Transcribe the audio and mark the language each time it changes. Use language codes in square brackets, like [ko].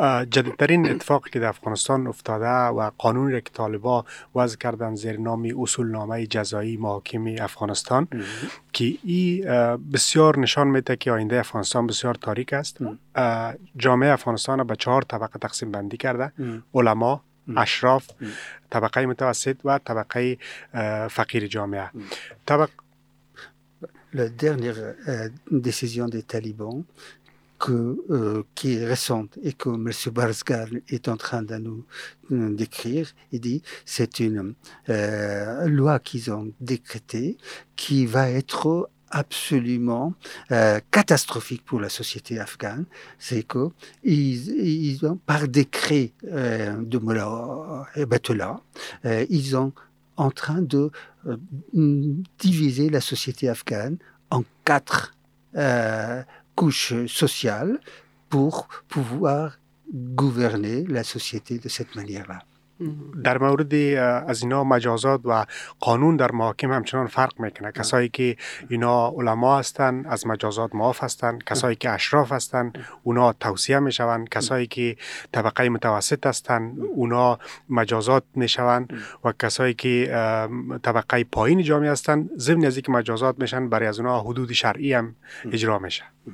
[fa] جدیدترین اتفاقی که در افغانستان افتاده و قانونی که طالبا وضع کردن زیر نام اصولنامه جزایی محاکم افغانستان که این بسیار نشان میده که آینده افغانستان بسیار تاریک است. جامعه افغانستان را به 4 طبقه تقسیم بندی کرده: علما، اشراف، طبقه متوسط و طبقه فقیر جامعه. [fr] La dernière décision des talibans qui est récente et que M. Barzgan est en train de nous décrire, il dit c'est une loi qu'ils ont décrétée qui va être absolument catastrophique pour la société afghane. C'est que ils ont, par décret de Mullah Hébatullah, ils sont en train de diviser la société afghane en 4 couches sociales pour pouvoir gouverner la société de cette manière-là. [fa] در مورد از اینا مجازات و قانون در محاکم همچنان فرق میکنه. کسایی که اینا علما هستن از مجازات معاف هستن، کسایی که اشراف هستن اونا توصیه میشوند، کسایی که طبقه متوسط هستن اونا مجازات میشوند و کسایی که طبقه پایین جامعه هستن ضمن از اینکه مجازات میشن برای از اونا حدود شرعی هم اجرا میشه.